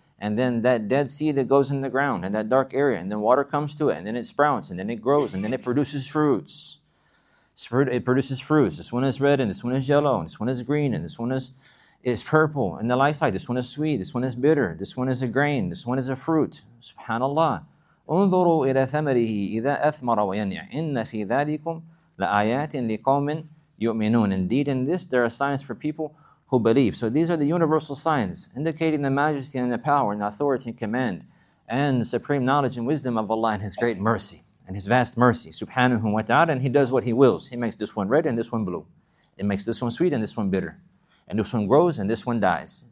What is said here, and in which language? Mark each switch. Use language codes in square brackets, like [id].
[en] And then that dead seed that goes in the ground in that dark area, and then water comes to it, and then it sprouts, and then it grows, and then it produces fruits. It produces fruits. This one is red, and this one is yellow, and this one is green, and this one is purple, and the like side. This one is sweet, this one is bitter, this one is a grain, this one is a fruit. SubhanAllah. [ar] انظروا إلى ثمره إذا أثمر وينيع إن في ذلكم لآيات لقوم يؤمنون. [en] Indeed, in this there are signs for people who believe. So these are the universal signs indicating the majesty and the power and authority and command and supreme knowledge and wisdom of Allah and His great mercy and His vast mercy. Subhanahu wa ta'ala, and He does what He wills. He makes this one red and this one blue. It makes this one sweet and this one bitter. And this one grows and this one dies.